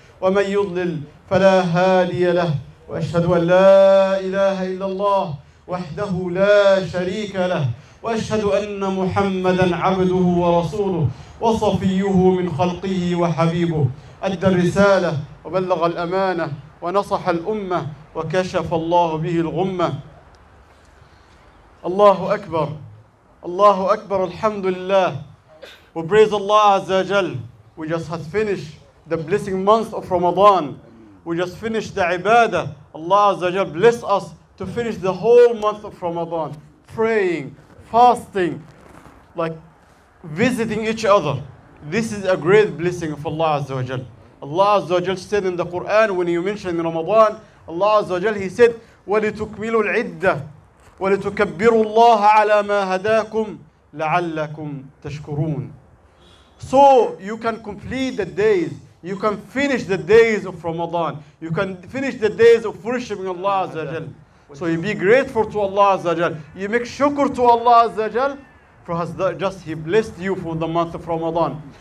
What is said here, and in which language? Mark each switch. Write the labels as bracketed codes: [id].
[ar] ومن يضلل فلا هادي له وأشهد أن لا إله إلا الله وحده لا شريك له وأشهد أن محمدًا عبده ورسوله وصفيه من خلقه وحبيبه أدى الرسالة وبلغ الأمانة ونصح الأمة وكشف الله به الغمة الله أكبر الله أكبر الحمد لله و praise الله عز وجل. [en] We just had finished the blessing month of Ramadan. We just finished the عبادة. Allah عز وجل bless us to finish the whole month of Ramadan praying, fasting, like visiting each other. This is a great blessing of Allah عز وجل. Allah عز وجل said in the Quran when he mentioned Ramadan, Allah عز وجل he said ولتكملوا العدة ولتكبروا الله على ما هداكم لعلكم تشكرون. So you can complete the days, you can finish the days of Ramadan, you can finish the days of worshiping Allah عز وجل. So you be grateful to Allah عز وجل, you make shukr to Allah عز وجل for has just he blessed you for the month of Ramadan.